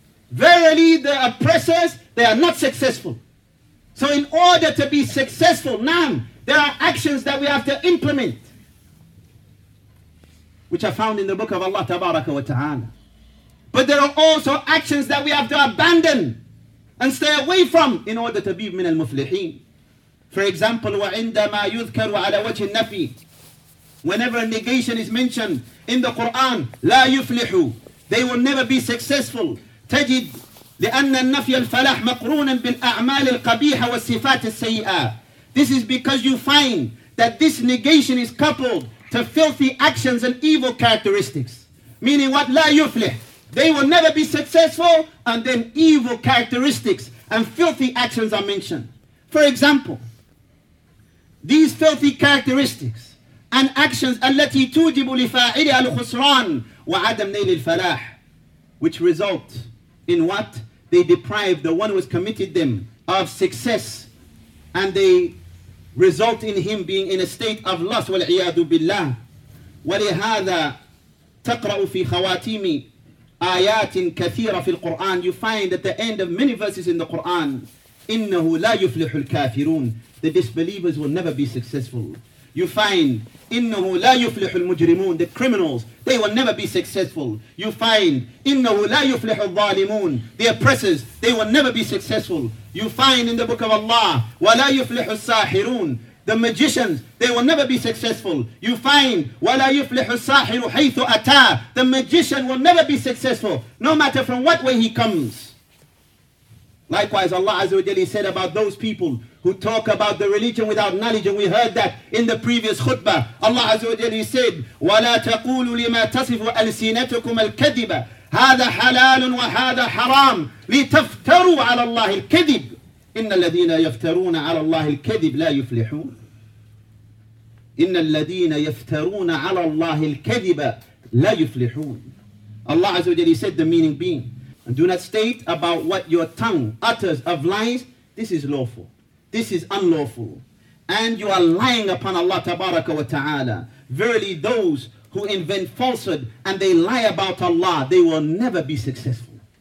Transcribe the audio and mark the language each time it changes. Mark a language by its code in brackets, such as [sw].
[en] Verily the oppressors, they are not successful. So in order to be successful, now there are actions that we have to implement, which are found in the book of Allah Tabaraka wa Ta'ala. But there are also actions that we have to abandon and stay away from in order to be [ar] min al-muflihin. [en] For example, [ar] وَعِنْدَمَا يُذْكَرُ عَلَى وَجْهِ النَّفِي. [en] Whenever a negation is mentioned in the Quran, [ar] لَا يُفْلِحُ, [en] they will never be successful. [ar] تَجِدْ لأن النفي الفلاح مقرونا بالأعمال القبيحة والصفات السيئة. [en] This is because you find that this negation is coupled to filthy actions and evil characteristics. Meaning what? [ar] لا يفلح. [en] They will never be successful, and then evil characteristics and filthy actions are mentioned. For example, these filthy characteristics and actions [ar] التي توجب لفاعل الخسران وعدم نيل الفلاح, [en] which result in what? They deprive the one who has committed them of success, and they result in him being in a state of loss. [ar] والعياذ بالله. ولهذا تقرأ في خواتيم آيات كثيرة في القرآن. [en] You find at the end of many verses in the Quran, [ar] إنه لا يفلح الكافرون. [en] The disbelievers will never be successful. You find [ar] إنه لا يفلح المجرمون. [en] The criminals, they will never be successful. You find [ar] إنه لا يفلح الظالمون. [en] The oppressors, they will never be successful. You find in the book of Allah [ar] ولا يفلح الساحرون. [en] The magicians, they will never be successful. You find [ar] ولا يفلح الساحر حيث أتى. [en] The magician will never be successful, no matter from what way he comes. Likewise, Allah Azza wa Jalla said about those people who talk about the religion without knowledge, and we heard that in the previous khutbah. [ar] Allah Azza wa Jalla said, وَلَا تَقُولُوا لِمَا تَصِفُ أَلْسِنَتُكُمَ الْكَذِبَ هَذَا حَلَالٌ وَهَذَا حَرَامٌ لِتَفْتَرُوا عَلَى اللَّهِ الْكَذِبِ إِنَّ الَّذِينَ يَفْتَرُونَ عَلَى اللَّهِ الْكَذِبِ لَا يُفْلِحُونَ إِنَّ الَّذِينَ يَفْتَرُونَ عَلَى اللَّهِ الْكَذِبَ لَا يُفْلِحُونَ. [en] Allah Azza wa Jalla said, the meaning being, and do not state about what your tongue utters of lies. This is lawful. This is unlawful. And you are lying upon Allah Tabaraka wa Ta'ala. Verily those who invent falsehood and they lie about Allah, they will never be successful.